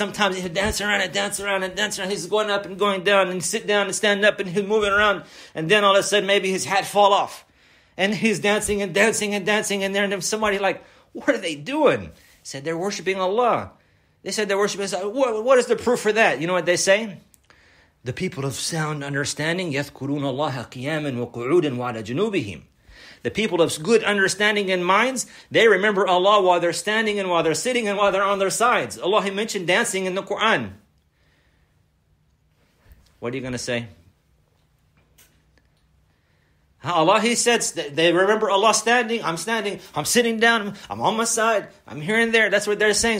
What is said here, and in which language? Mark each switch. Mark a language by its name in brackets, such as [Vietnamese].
[English] Sometimes he'll dance around. He's going up and going down and sit down and stand up and he's moving around. And then all of a sudden, maybe his hat fall off. And he's dancing. And then somebody like, what are they doing? Said they're worshiping Allah. They said they're worshiping Allah. What is the proof for that? You know what they say? The people of sound understanding, [Arabic] يَذْكُرُونَ اللَّهَ قِيَامًا وَقُعُودًا وَعَلَى جُنُوبِهِمْ. [English] The people of good understanding and minds, they remember Allah while they're standing and while they're sitting and while they're on their sides. Allah, He mentioned dancing in the Quran. What are you going to say? Allah, He said, they remember Allah standing, I'm standing, I'm sitting down, I'm on my side, I'm here and there. That's what they're saying.